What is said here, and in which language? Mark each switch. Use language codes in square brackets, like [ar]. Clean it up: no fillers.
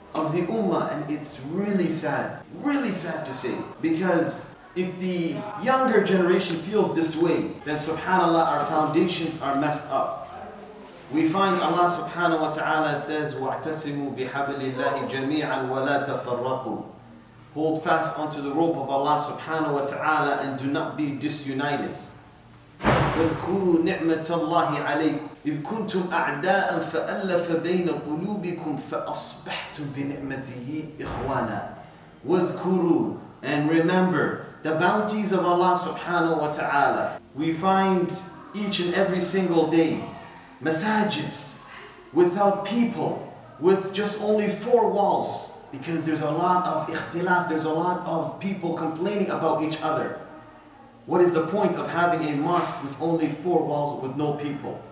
[en] Of the ummah, and it's really sad to say, because if the younger generation feels this way, then subhanAllah, our foundations are messed up. We find Allah subhanahu wa ta'ala says, [ar] وَاعْتَسِمُوا بِحَبْلِ اللَّهِ جَمِيعًا وَلَا تَفَرَّقُوا [en] Hold fast onto the rope of Allah subhanahu wa ta'ala and do not be disunited. [ar] وَاذْكُرُوا نِعْمَةَ اللَّهِ عَلَيْكُمْ إِذْ كُنْتُمْ أَعْدَاءً فَأَلَّفَ بَيْنَ قُلُوبِكُمْ فَأَصْبَحْتُمْ بِنِعْمَتِهِ إِخْوَانًا وَاذْكُرُوا [en] And remember the bounties of Allah subhanahu wa ta'ala. We find each and every single day masajids without people, with just only four walls, because there's a lot of ikhtilaf, there's a lot of people complaining about each other. What is the point of having a mosque with only four walls with no people?